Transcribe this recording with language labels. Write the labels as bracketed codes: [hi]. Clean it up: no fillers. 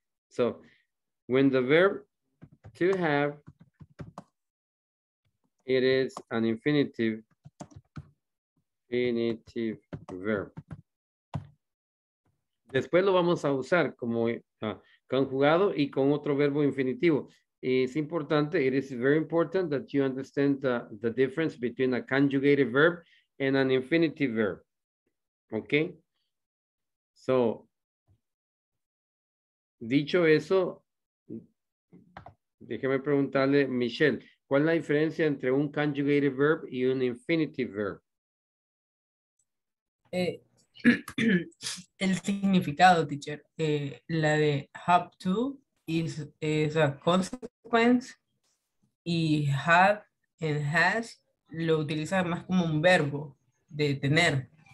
[en] So, when the verb to have, it is an infinitive verb. [es] Después lo vamos a usar como conjugado y con otro verbo infinitivo. Es importante, [en] it is very important that you understand the difference between a conjugated verb and an infinitive verb. Okay? [es] So, dicho eso, déjeme preguntarle, Michelle, ¿cuál es la diferencia entre un conjugated verb y un infinitive verb? El significado, teacher, la de [en] have to is a consequence [es] y have and has lo utiliza más como un verbo de tener.